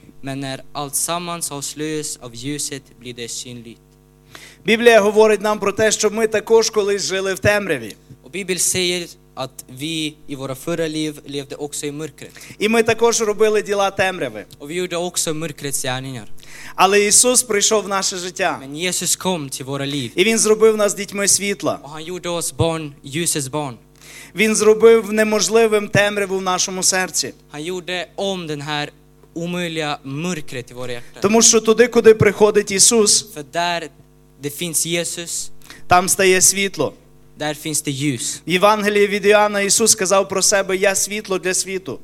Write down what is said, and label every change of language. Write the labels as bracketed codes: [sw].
[sv] Men när allt sammans avslöjas av ljuset blir det synligt. [uk] Biblia говорить нам про те, що ми також колись жили в темряві. [sv] Och Bibeln säger att vi i våra förra liv levde också i mörkret. [uk] І ми також робили діла темряви. [sv] Och vi gjorde också mörkrets gärningar. [uk] Але Ісус прийшов в наше життя. [sv] Men Jesus kom till våra liv. [uk] І Він зробив нас дітьми світла. [sv] Och han gjorde oss born, ljusets barn. [uk] Він зробив неможливим темряву в нашому серці. [sv] Han gjorde om den här omöjliga mörkret i våra hjärtan. [uk] Тому що туди, куди приходить Ісус, [sv] för där det finns Jesus, [uk] там стає світло. [sv] Där finns det ljus. [uk] В Євангелії від Іоанна Ісус сказав про себе: "Я світло для світу".